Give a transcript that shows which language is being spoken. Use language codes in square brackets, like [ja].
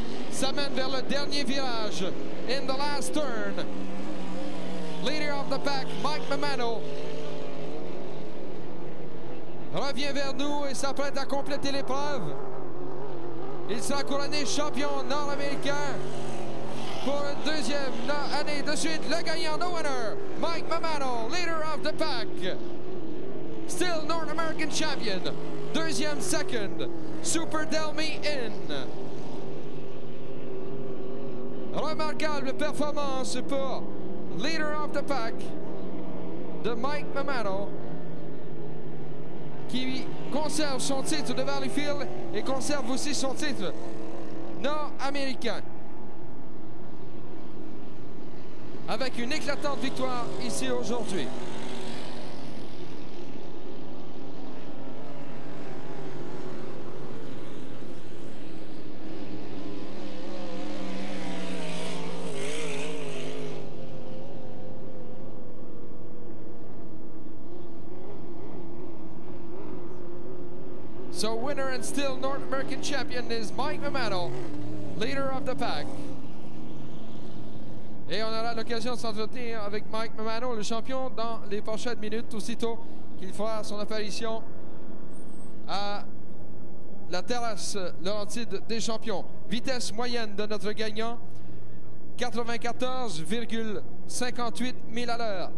[fr] Ça mène vers le dernier virage. [en] In the last turn, [fr] leader of the pack, Mike Mamano, revient vers nous et s'apprête à compléter l'épreuve. Il sera couronné champion nord-américain pour une deuxième année de suite. Le gagnant, [en] the winner, Mike Mamano, leader of the pack. Still North American champion. Deuxième, second. Super Delmi in. [fr] Remarquable performance pour leader of the pack, de Mike Mamano, qui conserve son titre de Valleyfield et conserve aussi son titre nord-américain. Avec une éclatante victoire ici aujourd'hui. [en] So winner and still North American champion is Mike Mamano, leader of the pack. [fr] Et on aura l'occasion de s'entretenir avec Mike Mamano, le champion, dans les prochaines minutes, aussitôt qu'il fera son apparition à la terrasse Laurentide des champions. Vitesse moyenne de notre gagnant, 94,58 miles à l'heure.